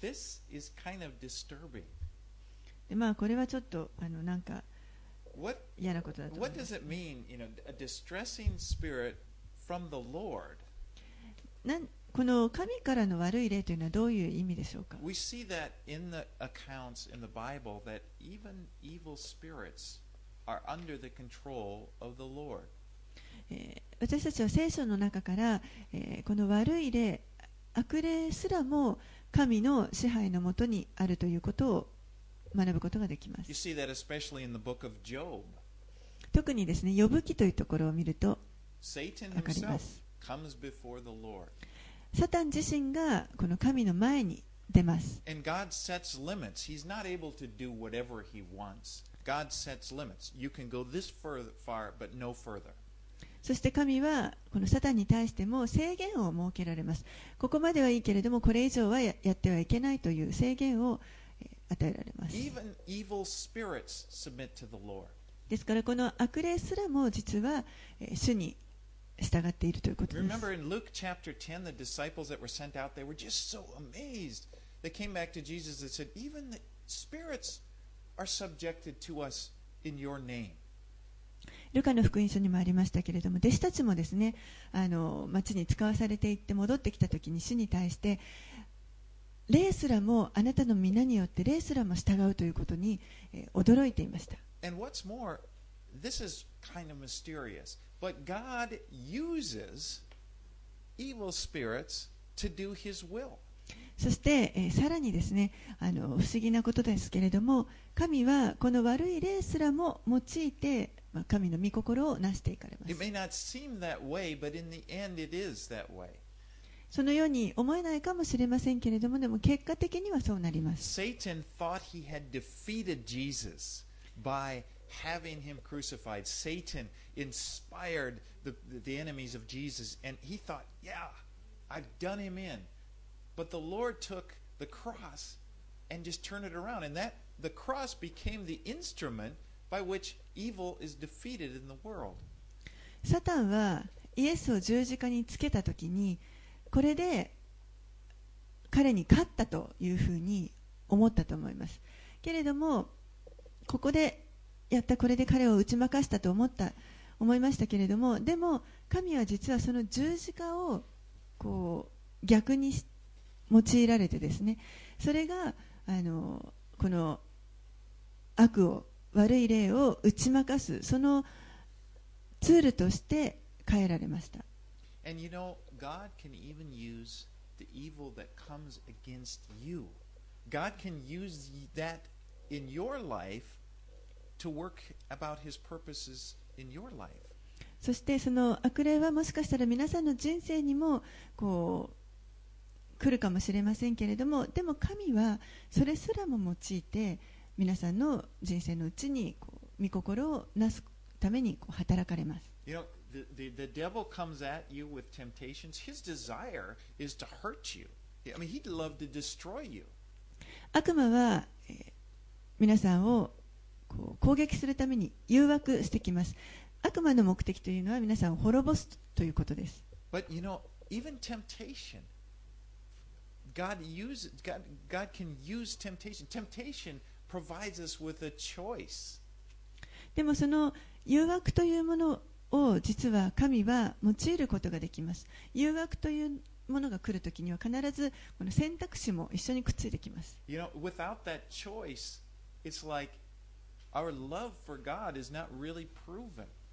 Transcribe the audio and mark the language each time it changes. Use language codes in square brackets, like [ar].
[en] This is kind of disturbing. [ja] で、まあこれはちょっとなんか嫌なことだと思います。 [en] What does it mean, you know, a distressing spirit from the Lord? [ja] この神からの悪い霊というのはどういう意味でしょうか。 [en] We see that in the accounts in the Bible that even evil spirits are under the control of the Lord. [ja] 私たちは聖書の中から、この悪い霊、悪霊すらも神の支配のもとにあるということを学ぶことができます。 [en] You see that especially in the book of Job. [ja] 特にですね、ヨブ記というところを見ると分かります。 [en] Satan himselfComes before the Lord. [ja] サタン自身がこの神の前に出ます。 [en] And God sets limits. He's not able to do whatever he wants. God sets limits. You can go this far, but no further. [ja] そして神はこのサタンに対しても制限を設けられます。ここまではいいけれども、これ以上は やってはいけないという制限を与えられます。 [en] Even evil spirits submit to the Lord. [ja] ですからこの悪霊すらも実は主に従っているということです。 [en] Remember in Luke chapter 10, the disciples that were sent out, they were just so amazed. They came back to Jesus and said, "Even the spirits are subjected to us in your name." [ja] ルカの福音書にもありましたけれども、弟子たちもですね、町に使わされていって戻ってきたときに主に対して、霊すらもあなたの皆によって霊すらも従うということに驚いていました。 [en] And what's more, this is kind of mysterious. But God uses evil spirits to do His will. [ja] そして、さらにですね、不思議なことですけれども、神はこの悪い霊すらも用いて、まあ、神の御心を成していかれます。 [en] It may not seem that way, but in the end, it is that way. [ja] そのように思えないかもしれませんけれども、でも結果的にはそうなります。 [en] Satan thought he had defeated Jesus by having him crucified. Satan. Inspired the enemies of Jesus, and he thought, "Yeah, I've done him in." But the Lord took the cross and just turned it around, and that the cross became the instrument by which evil is defeated in the world. [ja] Satan はイエスを十字架につけたときに、これで彼に勝ったというふうに思ったと思います。けれども、ここでやったこれで彼を打ち負かしたと思った。思いましたけれども、でも神は実はその十字架をこう逆に用いられてですね、それがこの悪を悪い霊を打ち負かすそのツールとして変えられました。 [en] And you know, God can even use the evil that comes against you. God can use that in your life to work about His purposes. in your life. [ja] そしてその悪霊はもしかしたら皆さんの人生にもこう来るかもしれませんけれども、でも神はそれすらも用いて皆さんの人生のうちにこう御心をなすためにこう働かれます。 [en] You know, the devil comes at you with temptations. His desire is to hurt you. I mean, he'd love to destroy you. [ja] 悪魔は皆さんをこう攻撃するために誘惑してきます。悪魔の目的というのは皆さんを滅ぼすということです。 [en] But you know, even temptation, God can use temptation. Temptation provides us with a choice. [ja] でもその誘惑というものを実は神は用いることができます。誘惑というものが来るときには必ずこの選択肢も一緒にくっついてきます。 [en] You know, without that choice, it's like our love for God is not really proven.